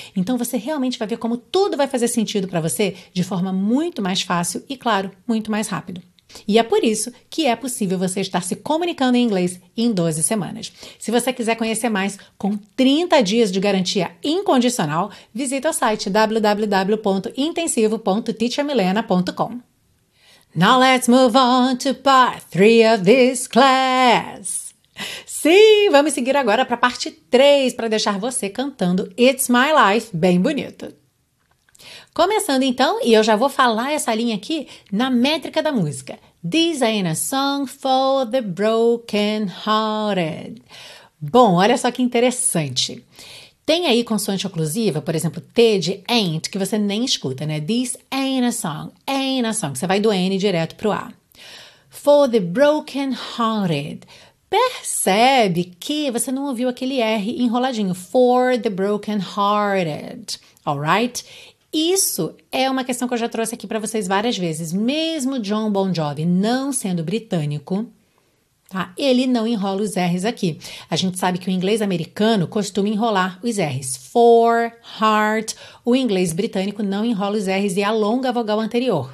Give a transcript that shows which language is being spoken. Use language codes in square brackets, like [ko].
[pt] Então, você realmente vai ver como tudo vai fazer sentido para você de forma muito mais fácil e, claro, muito mais rápido. E é por isso que é possível você estar se comunicando em inglês em 12 semanas. Se você quiser conhecer mais com 30 dias de garantia incondicional, visita o site www.intensivo.teachermilena.com. [en] Now let's move on to part 3 of this class. [pt] Sim, vamos seguir agora para a parte 3 para deixar você cantando It's My Life bem bonito. Começando então, e eu já vou falar essa linha aqui na métrica da música. [en] This ain't a song for the broken hearted. [pt] Bom, olha só que interessante. Tem aí consoante oclusiva, por exemplo, T de ain't, que você nem escuta, né? [en] This ain't a song, [pt] você vai do N direto pro A. [en] For the broken hearted. [pt] Percebe que você não ouviu aquele R enroladinho. [en] For the broken hearted, alright? [pt] Isso é uma questão que eu já trouxe aqui para vocês várias vezes. Mesmo John Bon Jovi não sendo britânico, tá? Ele não enrola os R's aqui. A gente sabe que o inglês americano costuma enrolar os R's. For, heart. O inglês britânico não enrola os R's e alonga a vogal anterior.